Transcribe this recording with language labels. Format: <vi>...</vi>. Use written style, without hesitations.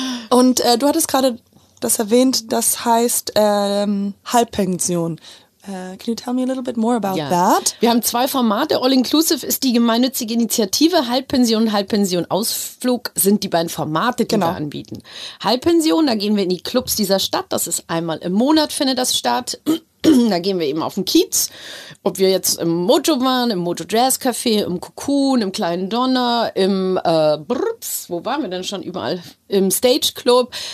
<de>Und du hattest gerade das erwähnt, das heißt Halbpension.</de> <en>Can you tell me a little bit more about that?</en> <de>Wir haben zwei Formate. All Inclusive ist die gemeinnützige Initiative. Halbpension und Halbpension Ausflug sind die beiden Formate, die wir anbieten. Halbpension, da gehen wir in die Clubs dieser Stadt. Das ist einmal im Monat findet das statt. Da gehen wir eben auf den Kiez, ob wir jetzt im Mojo waren, im Mojo Jazz Café, im Cocoon, im Kleinen Donner, im wo waren wir denn schon überall, im Stage Club.</de>